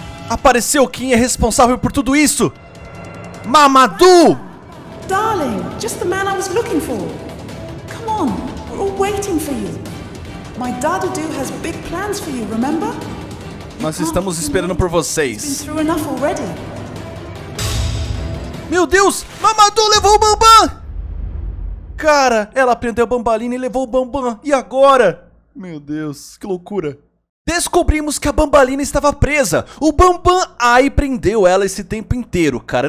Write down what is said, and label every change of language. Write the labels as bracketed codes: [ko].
[pt] Apareceu quem é responsável por tudo isso? Mamadou! [en] Darling, just the man I was looking for. Come on, we're all waiting for you. My Dadadu has big plans for you, remember? [pt] Nós estamos esperando por vocês. Meu Deus! Mamadou levou o Bambam! Cara, ela prendeu a Bambalina e levou o Bambam. E agora? Meu Deus, que loucura. Descobrimos que a Bambalina estava presa. O Bambam Ai prendeu ela esse tempo inteiro, cara.